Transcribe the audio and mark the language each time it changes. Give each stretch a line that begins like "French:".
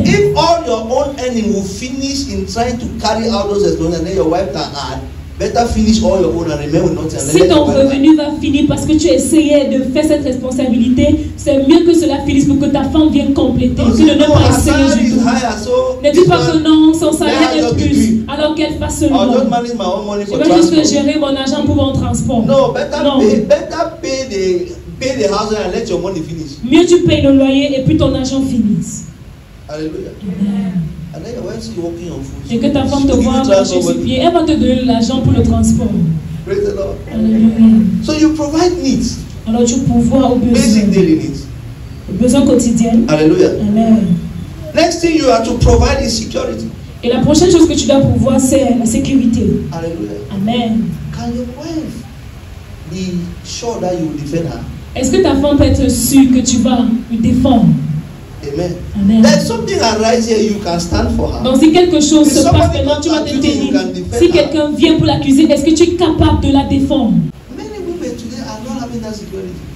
English: If all your own earning will finish in trying to carry out those responsibilities, then your wife can add. Better finish all your own and remain with nothing.
French: Si ton revenu va finir parce que tu essayais de faire cette responsabilité, c'est mieux que cela finisse pour que ta femme vienne compléter. Non, que de ne pas essayer du tout. Ne dis pas que non, son salaire est plus. Alors qu'elle fasse seulement.
English: I'll just manage my own money for
French: transport. Juste gérer mon argent pour mon transport.
English: No, better pay the house and let your money finish.
French: Mieux tu payes le loyer et puis ton argent finisse.
English: Hallelujah. And then when she's walking on foot,
French: et que ta femme te voit marcher sur pied, elle va te donner l'argent pour le transport.
English: Praise the Lord. Alleluia. So you provide needs.
French: Alors tu pourvois aux besoins.
English: Basic daily needs.
French: Aux besoins quotidiens. Alleluia. Amen.
English: Next thing you are to provide is security.
French: Et la prochaine chose que tu dois pourvoir, c'est la sécurité. Alleluia. Amen.
English: Can your wife be sure that you will defend her?
French: Est-ce que ta femme peut être sûre que tu vas lui défendre? Amen. Amen.
English: There's something arise here, you can stand for her.
French: Donc si quelque chose se passe maintenant, tu vas te tenir. Si quelqu'un vient pour l'accuser, est-ce que tu es capable de la défendre?
English: Many women today are not having that security.